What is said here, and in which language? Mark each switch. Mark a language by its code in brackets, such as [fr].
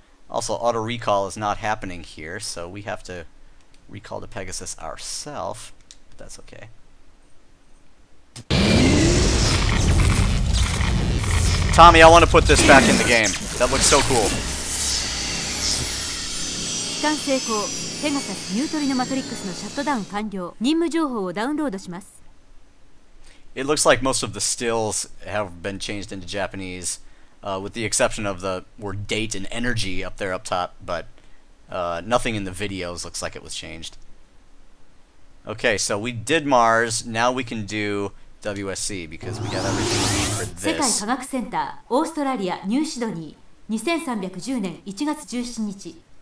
[en] Also, auto recall is not happening here, so we have to recall to Pegasus ourselves. But that's okay. Tommy, I want to put this back in the game. That looks so cool. [ja] ペガサスニュートリノマトリックスのシャットダウン完了。任務情報をダウンロードします。 [en] It looks like most of the stills have been changed into Japanese, with the exception of the word date and energy up there up top, but nothing in the videos looks like it was changed. Okay, so we did Mars, now we can do WSC because we got everything we need for this. [ja] 世界科学センター、オーストラリア、ニューシドニー、2310年1月17日。